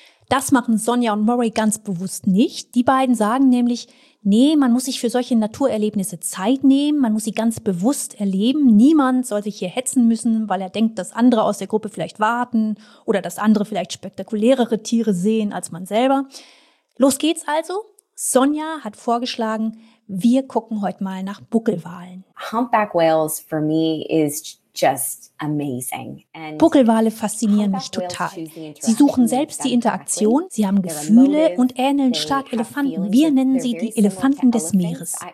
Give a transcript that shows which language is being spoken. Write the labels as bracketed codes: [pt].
[de] Das machen Sonja und Murray ganz bewusst nicht. Die beiden sagen nämlich, nee, man muss sich für solche Naturerlebnisse Zeit nehmen, man muss sie ganz bewusst erleben. Niemand soll sich hier hetzen müssen, weil er denkt, dass andere aus der Gruppe vielleicht warten oder dass andere vielleicht spektakulärere Tiere sehen als man selber. Los geht's also. Sonja hat vorgeschlagen, wir gucken heute mal nach Buckelwalen. [en] Humpback whales for me is just amazing. [de] Buckelwale faszinieren mich total. Sie suchen selbst die Interaktion, sie haben Gefühle und ähneln stark Elefanten. Wir nennen sie die Elefanten des Meeres.